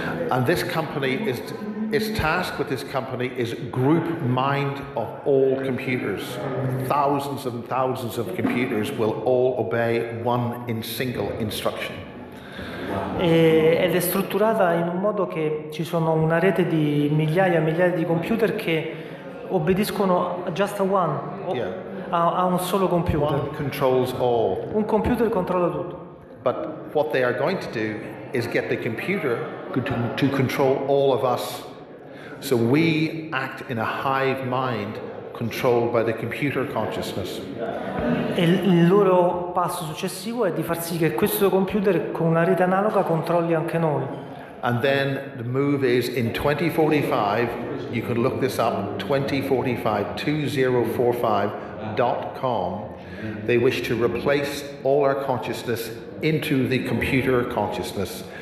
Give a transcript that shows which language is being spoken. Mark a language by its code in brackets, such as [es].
[en] And this company is. Its task with this company is group mind of all computers. Thousands and thousands of computers will all obey one in single instruction. [it] Ed è strutturata in un modo che ci sono una rete di migliaia e migliaia di computer che obbediscono [en] just a one, [it] a un solo computer. [en] One controls all. [it] Un computer controlla tutto. [en] But what they are going to do is get the computer to control all of us. So we act in a hive mind controlled by the computer consciousness. [it] E il loro passo successivo è di far sì che questo computer con una rete analoga controlli anche noi. [en] And then the move is in 2045, you can look this up, 2045.com, they wish to replace all our consciousness into the computer consciousness.